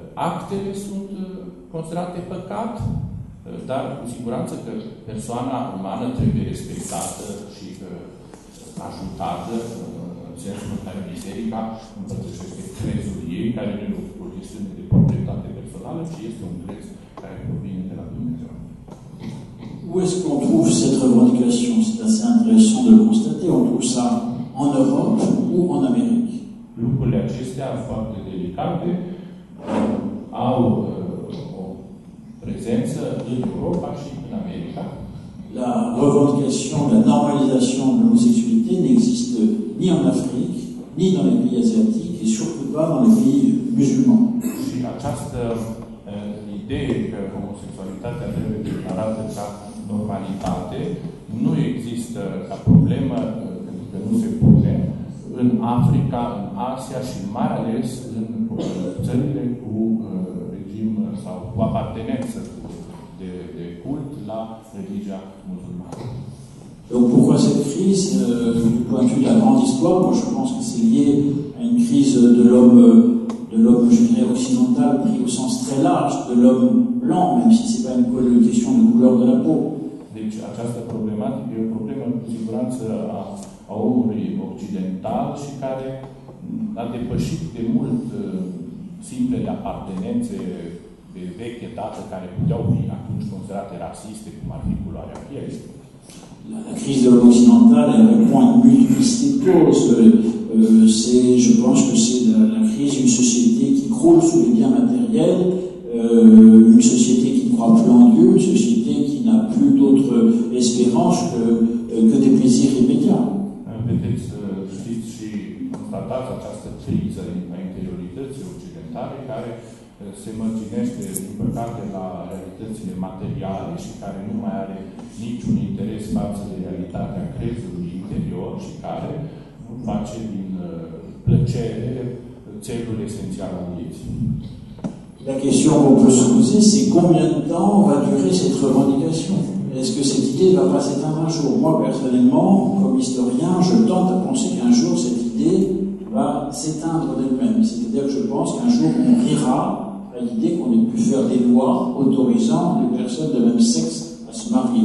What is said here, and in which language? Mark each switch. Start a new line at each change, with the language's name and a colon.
Romanian: Actele sunt considerate păcat, dar cu siguranță că persoana umană trebuie respectată și ajutată în sensul în care biserica împărtășește crezul ei, care nu chestiune de proprietate personală, ci este un preț care provine de la Dumnezeu.
French: Où est-ce qu'on trouve cette revendication? C'est assez intéressant de le constater. On trouve ça en Europe ou en Amérique?
Romanian: Lucrurile acestea, foarte delicate, au o prezență în Europa și în America.
French: La revendication, la normalisation de l'homosexualité n'existe ni en Afrique, ni dans les pays asiatiques, et surtout pas dans les pays musulmans.
Romanian: Și această idee că homosexualitatea trebuie declarată ca normalitate nu există ca problemă, pentru că nu se pune, în Africa, în Asia și mai ales în țările cu regim sau cu apartenență de cult la religia musulmană.
French: Donc pourquoi cette crise du point de vue de la grande histoire? Moi je pense que c'est lié à une crise de l'homme je dirais occidental pris au sens très large, de l'homme blanc, même si c'est pas une question de couleur de la peau.
Romanian: Donc, această problematică e o problemă cu siguranță a omului occidental și care a depășit de mult simplele apartenențe de veche dată care puteau fi atunci considerate rasiste, cum ar fi culoarea pielii.
French: La crise de l'homme occidental, elle répond à une multiplicité de causes. Je pense que c'est la crise d'une société qui croule sous les biens matériels, une société qui ne croit plus en Dieu, une société qui n'a plus d'autre dimanche que des plaisirs immédiats.
Romanian: Peut-être să știți și constatați această criză a interiorității occidentale care se mărginește, din păcate, la realitățile materiale și care nu mai are niciun interes față de realitatea crezului interior și care nu face din plăcere țelul esențial al vieții.
French: La question qu'on peut se poser, c'est combien de temps va durer cette revendication? Est-ce que cette idée ne va pas s'éteindre un jour? Moi, personnellement, comme historien, je tente à penser qu'un jour, cette idée va s'éteindre d'elle-même. C'est-à-dire que je pense qu'un jour, on rira à l'idée qu'on ait pu faire des lois autorisant les personnes de même sexe à se marier.